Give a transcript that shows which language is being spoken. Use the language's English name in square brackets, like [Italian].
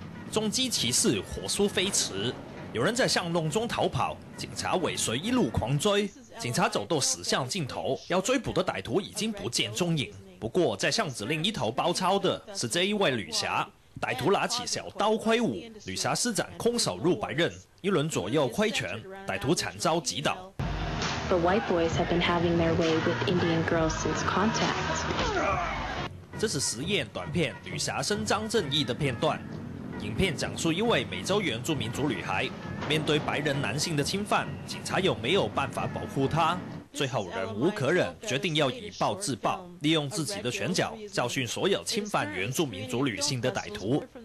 [Chinese] 中击骑士火速飞驰，有人在巷弄中逃跑，警察尾随一路狂追，警察走到死巷尽头，要追捕的歹徒已经不见踪影。不过在巷子另一头包抄的是这一位女侠，歹徒拿起小刀挥舞，女侠施展空手入白刃，一轮左右挥拳，歹徒惨遭击倒。 [English] The white boys have been having their way with Indian girls since contact. [Chinese] 这是实验短片《女侠伸张正义》的片段。影片讲述一位美洲原住民族女孩面对白人男性的侵犯，警察有没有办法保护她，最后忍无可忍，决定要以暴制暴，利用自己的拳脚教训所有侵犯原住民族女性的歹徒。